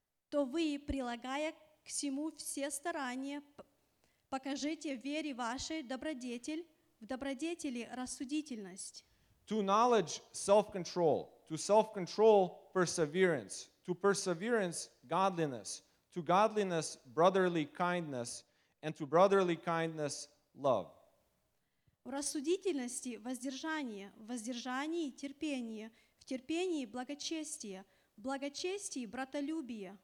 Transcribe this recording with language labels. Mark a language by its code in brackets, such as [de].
[ru] То вы, прилагая к сему все старания, покажите вере вашей добродетель, в добродетели рассудительность. [en] To knowledge, self-control. To self-control, perseverance. To perseverance, godliness. To godliness, brotherly kindness. And to brotherly kindness, love. [ru] В рассудительности – воздержание. В воздержании – терпение. В терпении – благочестие. В благочестии – братолюбие.